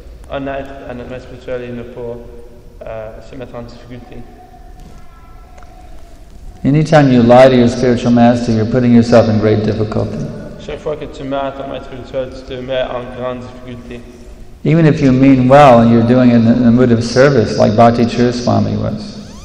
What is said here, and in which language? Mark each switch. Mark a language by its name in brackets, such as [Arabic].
[French] Honnête à notre maître spirituel et ne pas se mettre en difficulté. [English] Anytime you lie to your spiritual master, you're putting yourself in great difficulty. [French] Chaque fois que tu mens à ton maître spirituel, tu te mets en grande difficulté. [English] Even if you mean well and you're doing it in a mood of service, like Bhakti Chura Swami was.